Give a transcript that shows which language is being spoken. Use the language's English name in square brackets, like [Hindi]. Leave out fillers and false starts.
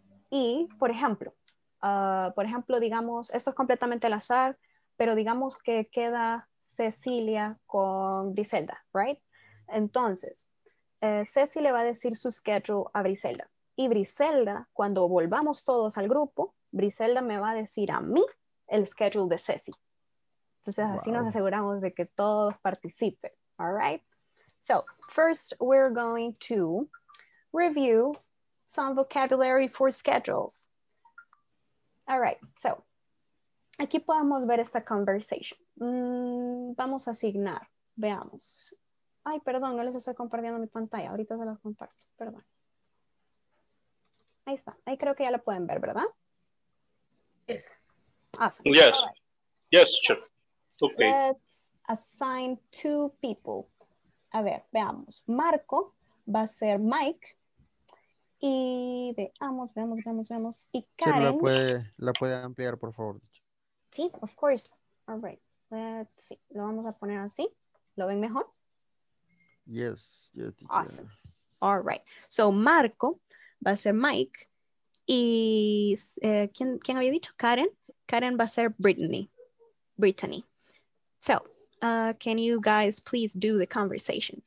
[Spanish] Y, por ejemplo, digamos, esto es completamente al azar, pero digamos que queda Cecilia con Griselda, [English] right? [Spanish] Entonces, Ceci le va a decir su schedule a Griselda. Y Griselda, cuando volvamos todos al grupo, Griselda me va a decir a mí el schedule de Ceci. Entonces, wow. Así nos aseguramos de que todos participen. [English] All right? So, first we're going to review some vocabulary for schedules. All right. So, [Spanish] aquí podemos ver esta conversation. Vamos a asignar. Veamos. Ay, perdón, no les estoy compartiendo mi pantalla. Ahorita se las comparto. Perdón. Ahí está. Ahí creo que ya la pueden ver, ¿verdad? [English] Yes. Awesome. Yes. Right. Yes, sure. Okay. Let's assign 2 people. [Spanish] A ver, veamos. Marco va a ser Mike. Y veamos. Y Karen. Sí, la puede ampliar, por favor. Sí, [English] of course. All right. Let's see. [Spanish] Lo vamos a poner así. ¿Lo ven mejor? [English] Yes. Yes, teacher. Awesome. All right. [Spanish] So, Marco va a ser Mike y ¿quién había dicho? Karen. Karen va a ser Brittany. [English] So, can you guys please do the conversation?